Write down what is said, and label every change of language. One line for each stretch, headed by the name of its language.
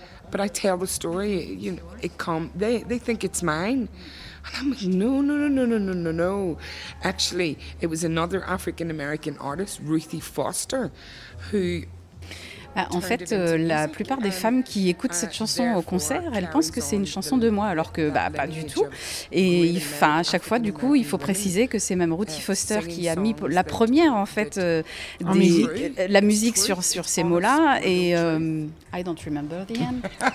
English: But I tell the story, you know, it come, they think it's mine. And I'm like, no. Actually, it was another African-American artist, Ruthie Foster, who...
French: En fait, la plupart des femmes qui écoutent cette chanson au concert, elles pensent que c'est une chanson de moi, alors que pas du tout. Et enfin, à chaque fois, du coup, il faut préciser que c'est même Ruthie Foster qui a mis la première, en fait, la musique sur ces mots-là. Et
English: I don't remember the end.